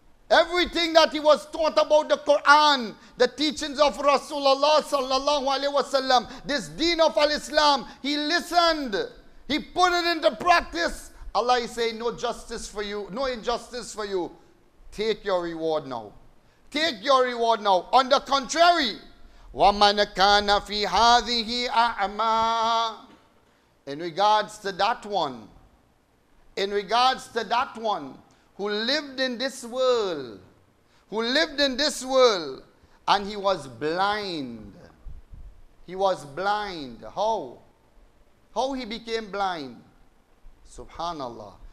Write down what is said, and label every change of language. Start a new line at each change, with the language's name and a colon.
English: Everything that he was taught about the Quran, the teachings of Rasulullah sallallahu alayhi wasallam, this deen of al-Islam, he listened. He put it into practice. Allah is saying, no justice for you, no injustice for you. Take your reward now. Take your reward now. On the contrary,
Arabic: وَمَنْ كَانَ فِي هَذِهِ أَعْمَى.
English: In regards to that one, in regards to that one who lived in this world, who lived in this world and he was blind. He was blind. How? How he became blind? Subhanallah.